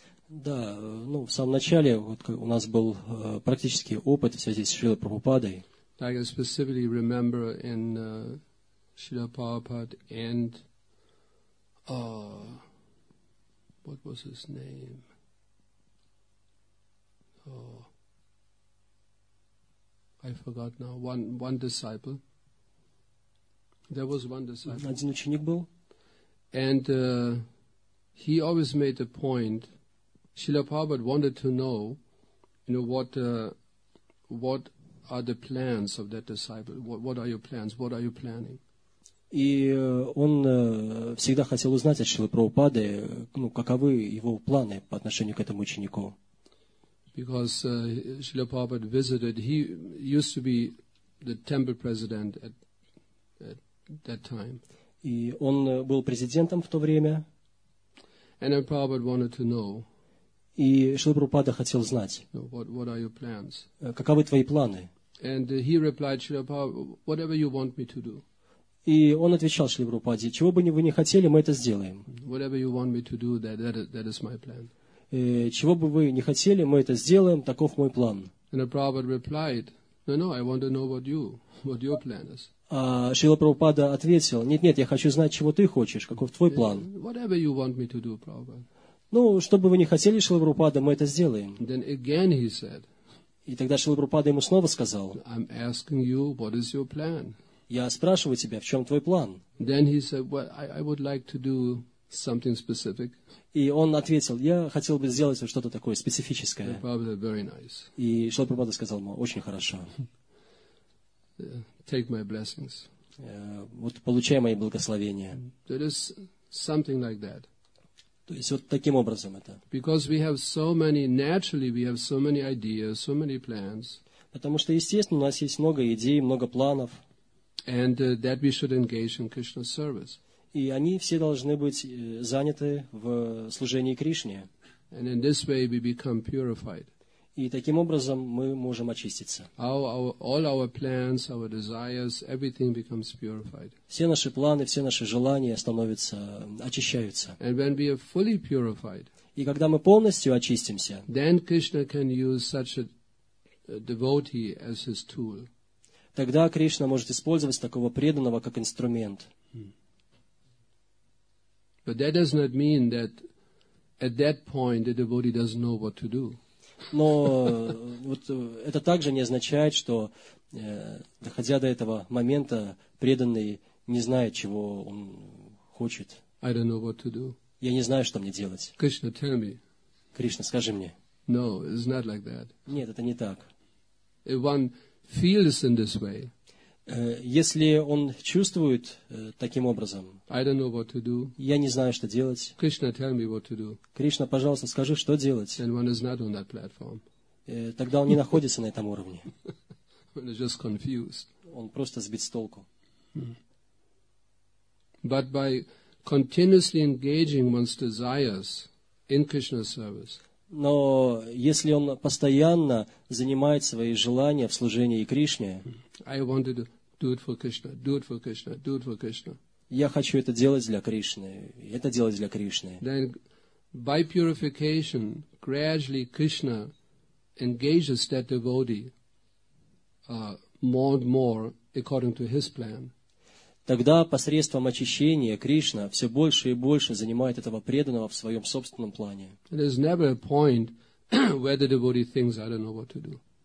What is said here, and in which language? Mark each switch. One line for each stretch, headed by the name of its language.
Russian: Да, ну, в самом начале вот у нас был практический опыт в связи с Шрилой Прабхупадой.
English: I can specifically remember in Srila Prabhupada and what was his name? Oh, I forgot now. One disciple. There was one disciple.
Russian: Один ученик был.
English: And he always made the point. Srila Prabhupada wanted to know, you know, what are the plans of that disciple? What are your plans? What are you planning?
Russian: И он всегда хотел узнать от Шрилы Прабхупады, ну, каковы его планы по отношению к этому ученику.
English: Because Srila Prabhupada visited. He used to be the temple president at that time.
Russian: И он был президентом в то время.
English: And Prabhupada wanted to know,
Russian: и Шрила Прабхупада хотел знать,
English: what are your plans?
Russian: Каковы твои планы?
English: And he replied, Shri Prabhupada, whatever you want me to do.
Russian: И он отвечал Шрила Прабхупаде, чего бы вы ни хотели, мы это сделаем.
English: Whatever you want me to do, that is my plan.
Russian: Чего бы вы ни хотели, мы это сделаем, таков мой план.
English: And Prabhupada replied, no, I want to know what your plan is.
Russian: А Шрила Прабхупада ответил, нет, я хочу знать, чего ты хочешь, каков твой план. Ну, что бы вы ни хотели, Шрила Прабхупада, мы это сделаем.
English: Then again he said,
Russian: и тогда Шрила Прабхупада ему снова сказал,
English: I'm asking you, what is your plan?
Russian: Я спрашиваю тебя, в чем твой план?
English: Then he said, well, I would like to do something specific.
Russian: И он ответил, я хотел бы сделать что-то такое специфическое.
English: Prabhupada, very nice.
Russian: И Шрила Прабхупада сказал ему, очень хорошо.
English: Take my blessings.
Russian: Вот получай мои благословения.
English: There is something like that.
Russian: То есть вот таким образом это.
English: Because we have so many, naturally we have so many ideas, so many plans.
Russian: Потому что естественно у нас есть много идей, много планов.
English: And that we should engage in Krishna's service.
Russian: И они все должны быть заняты в служении Кришне.
English: And in this way we become purified.
Russian: И таким образом мы можем очиститься.
English: All our plans, our desires, everything becomes purified.
Russian: Все наши планы, все наши желания становятся, очищаются.
English: And when we are fully purified,
Russian: и когда мы полностью очистимся,
English: then Krishna can use such a devotee as his tool.
Russian: Тогда Кришна может использовать такого преданного как инструмент.
English: But that does not mean that at that point the devotee doesn't know what to do.
Russian: Но вот это также не означает, что доходя до этого момента, преданный не знает, чего он хочет.
English: I don't know what to do.
Russian: Я не знаю, что мне делать.
English: Krishna, tell me.
Russian: Кришна, скажи мне.
English: No, it's not like that.
Russian: Нет, это не так.
English: If one feels in this way,
Russian: если он чувствует таким образом,
English: I don't know what to do.
Russian: Я не знаю, что делать.
English: Krishna, tell me what to do.
Russian: Кришна, пожалуйста, скажи, что делать.
English: And one is not on that platform.
Russian: Тогда он не находится на этом уровне.
English: One is just confused.
Russian: Он просто сбит с толку.
English: But by continuously engaging one's desires in Krishna's service.
Russian: Но если он постоянно занимает свои желания в служении Кришне,
English: I want to do it for Krishna, do it for Krishna, do it for Krishna.
Russian: Я хочу это делать для Кришны, это делать для Кришны.
English: Then by purification, gradually Krishna engages that devotee more and more according to his plan.
Russian: Тогда посредством очищения Кришна все больше и больше занимает этого преданного в своем собственном плане.
English: There's never a point where the devotee thinks, I don't know what to do.